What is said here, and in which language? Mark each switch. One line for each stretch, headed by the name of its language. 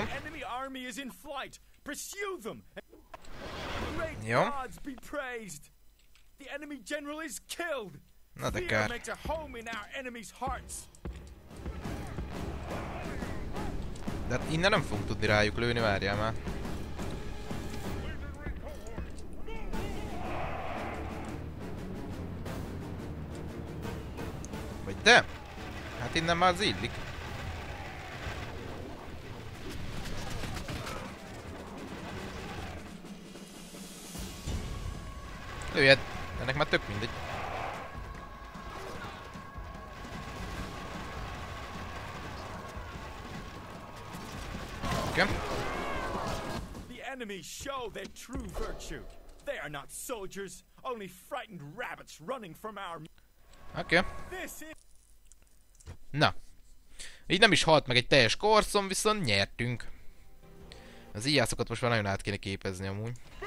English: The enemy army is in flight. Pursue them. Great gods be praised. The enemy general is killed. Not the guy. Fear makes a home in our enemy's hearts.
Hungarian: De innen nem fogunk tudni rájuk lőni, várjál már. Vagy te? Hát innen már zillik. Lőjed! Ennek már tök mindegy. Oké.
English: The enemy show their true virtue. They are not soldiers, only frightened rabbits running from our.
Hungarian: Oké. Na. Így nem is halt meg egy teljes korszom, viszont nyertünk. Az íjászokat most már nagyon át kéne képezni amúgy.